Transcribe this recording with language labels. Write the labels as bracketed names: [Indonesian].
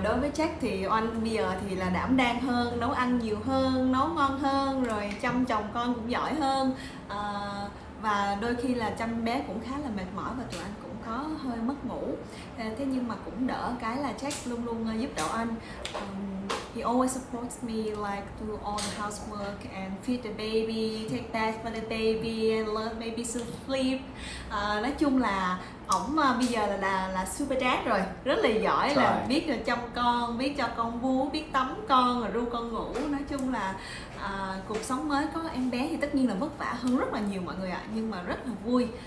[Vietnamese] Đối với Jack thì anh bây giờ thì là đảm đang hơn, nấu ăn nhiều hơn, nấu ngon hơn, rồi chăm chồng con cũng giỏi hơn. Và đôi khi là chăm bé cũng khá là mệt mỏi và tụi anh cũng có hơi mất ngủ. Thế nhưng mà cũng đỡ cái là Jack luôn luôn giúp đỡ anh. [English] He always supports me, like do all the housework and feed the baby, take bath for the baby and love the baby to sleep. [Vietnamese] Nói chung là ổng bây giờ là [English] super dad [Vietnamese] rồi, rất là giỏi. [English] Try. [Vietnamese] Là biết là chăm con, biết cho con bú, biết tắm con, ru con ngủ. Nói chung là cuộc sống mới có em bé thì tất nhiên là vất vả hơn rất là nhiều mọi người ạ, nhưng mà rất là vui.